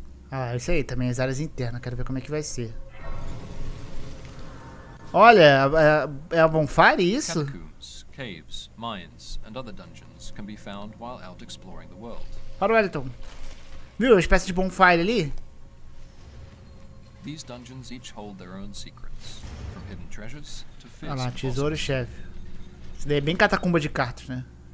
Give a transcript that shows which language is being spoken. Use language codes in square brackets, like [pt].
[pt] Ah, isso aí, também as áreas internas, quero ver como é que vai ser. Olha, é a Bonfire isso? [en] Catacombs, caves, mines and other dungeons can be found while out exploring the world. [pt] Para o Elton. Viu a espécie de Bonfire ali? [en] These dungeons each hold their own secrets, from hidden treasures to [pt] fierce. Olha lá, tesouro chefe. Isso daí é bem catacumba de cartas, né?